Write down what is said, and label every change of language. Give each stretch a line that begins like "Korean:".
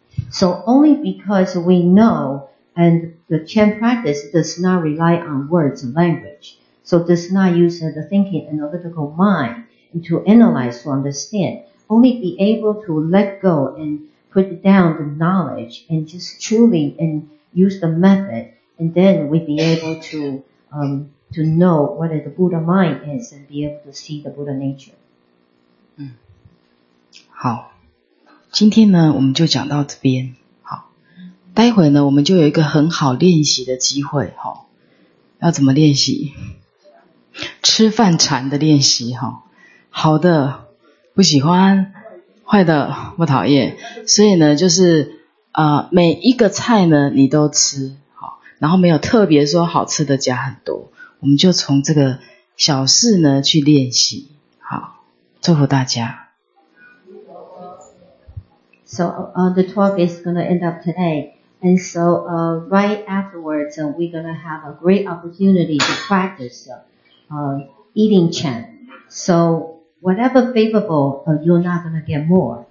English: So only because we know, and the Chan practice does not rely on words and language, so does not use the thinking analytical mind to analyze, to understand, only be able to let go and put down the knowledge and just truly and use the method, and then we'd be able to know what the Buddha mind is and be able to see the Buddha nature.
Chinese: 好，今天呢我们就讲到这边。好，待会呢我们就有一个很好练习的机会。好，要怎么练习？吃饭禅的练习。好，好的不喜欢，坏的不讨厌。所以呢就是每一个菜呢你都吃，好，然后没有特别说好吃的加很多，我们就从这个小事呢去练习。好，祝福大家。
English: So the talk is going to end up today. And so right afterwards, we're going to have a great opportunity to practice eating Chan. So whatever favorable, you're not going to get more.